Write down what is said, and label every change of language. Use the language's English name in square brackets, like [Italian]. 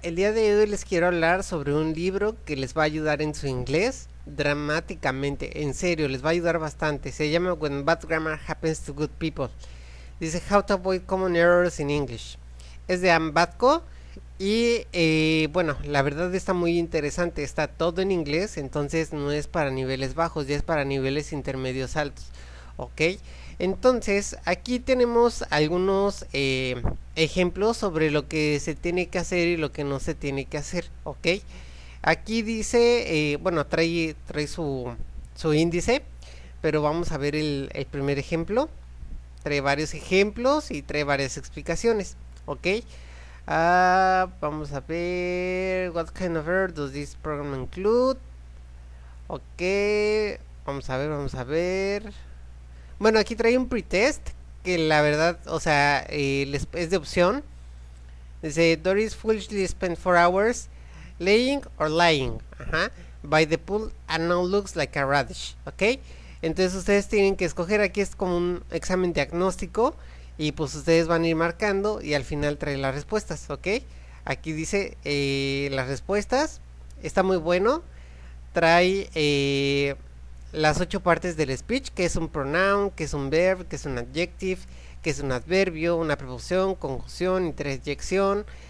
[Spanish] El día de hoy les quiero hablar sobre un libro que les va a ayudar en su inglés dramáticamente. En serio, les va a ayudar bastante. Se llama When Bad Grammar Happens to Good People. Dice How to Avoid Common Errors in English. Es de Anne Batco. Bueno, la verdad está muy interesante. Está todo en inglés, entonces no es para niveles bajos, ya es para niveles intermedios altos. Ok. Entonces, aquí tenemos algunos ejemplos sobre lo que se tiene que hacer y lo que no se tiene que hacer, ¿ok? Aquí dice, bueno, trae su índice, pero vamos a ver el primer ejemplo. Trae varios ejemplos y trae varias explicaciones, ¿ok? Vamos a ver, [English] what kind of error does this program include? [Spanish] Ok, vamos a ver, vamos a ver. Bueno, aquí trae un pretest que la verdad, o sea, es de opción. [English] Dice, Doris foolishly spent 4 hours laying or lying, by the pool and now looks like a radish, ¿ok? [Spanish] Entonces ustedes tienen que escoger, aquí es como un examen diagnóstico y pues ustedes van a ir marcando y al final trae las respuestas, ¿ok? Aquí dice las respuestas, está muy bueno, trae las 8 partes del speech, que es un pronoun, que es un verb, que es un adjective, que es un adverbio, una preposición, conjunción, interjección.